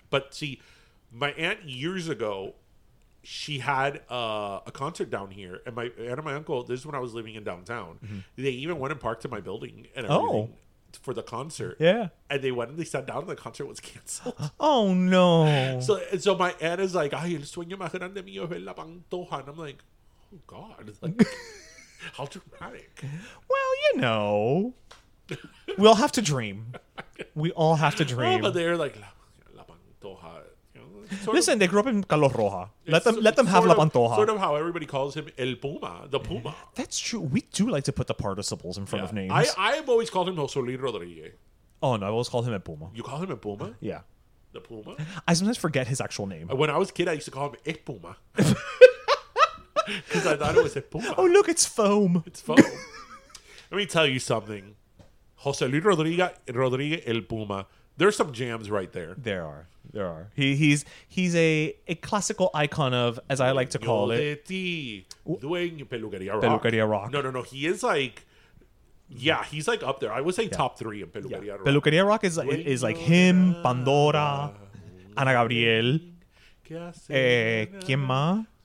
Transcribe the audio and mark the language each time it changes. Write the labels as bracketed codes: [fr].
[en] But see, my aunt years ago, she had a concert down here. And my aunt and my uncle, this is when I was living in downtown. Mm-hmm. They even went and parked in my building and everything. Oh. For the concert. Yeah. And they went and they sat down and the concert was canceled. Oh no. So my aunt is like, [es] ay, el sueño más grande mío es ver La Pantoja. [en] And I'm like, oh God. Like, how dramatic. Well, you know. We all have to dream. We all have to dream. Oh, but they're like La Pantoja. Listen, they grew up in Calor Roja. Let them have La Pantoja. Sort of how everybody calls him El Puma, the Puma. That's true. We do like to put the participles in front of names. I've always called him José Luis Rodríguez. Oh, no, I always called him El Puma. You call him El Puma? Yeah. The Puma? I sometimes forget his actual name. When I was a kid, I used to call him El Puma. Because I thought it was El Puma. Oh, look, it's foam. It's foam. Let me tell you something. José Luis Rodríguez El Puma. There's some jams right there. There are. He's a classical icon of, as I like to call it. [es] Dueño Peluquería Rock. Peluquería Rock. [en] No. He is like, yeah, he's like up there. I would say top three in Peluquería Rock. Peluquería Rock is like him, Pandora, Ana Gabriel. [es] ¿Qué hace? ¿Quién más?